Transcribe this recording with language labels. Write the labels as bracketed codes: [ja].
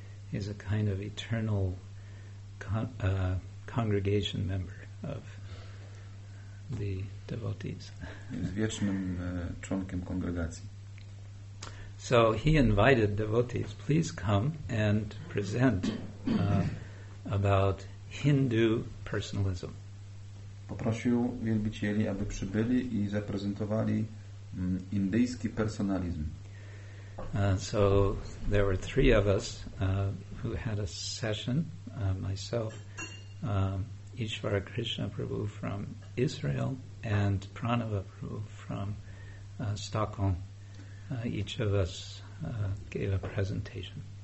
[en] He's a kind of eternal congregation member of the devotees. [pl] Jest wiecznym członkiem kongregacji. [en] So he invited devotees, please come and present about Hindu personalism. [pl] poprosił wielbicieli, aby przybyli i zaprezentowali indyjski personalizm. [en] So there were three of us who had a session, myself, Ishvara Krishna Prabhu from Israel and Pranava Prabhu from Stockholm. Each of us gave a presentation.